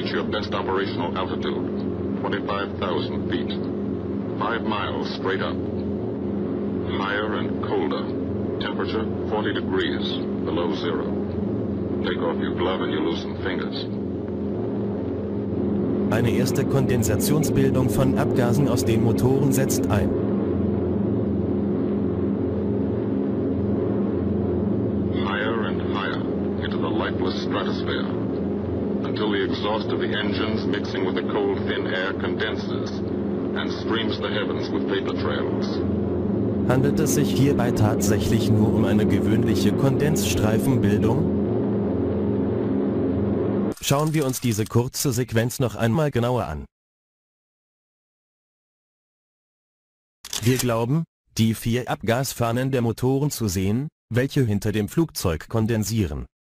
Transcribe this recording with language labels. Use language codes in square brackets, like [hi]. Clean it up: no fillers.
[en] Best operational altitude, 25,000 feet, 5 miles straight up. Higher and colder, temperature 40 degrees below zero. Take off your glove and you loosen fingers. [de] Eine erste Kondensationsbildung von Abgasen aus den Motoren setzt ein. [en] Higher and higher, into the lifeless stratosphere. Until the exhaust of the engines mixing with the cold thin air condenses and streams the heavens with vapor trails. [de] Handelt es sich hierbei tatsächlich nur um eine gewöhnliche Kondensstreifenbildung? Schauen wir uns diese kurze Sequenz noch einmal genauer an. Wir glauben, die vier Abgasfahnen der Motoren zu sehen, welche hinter dem Flugzeug kondensieren.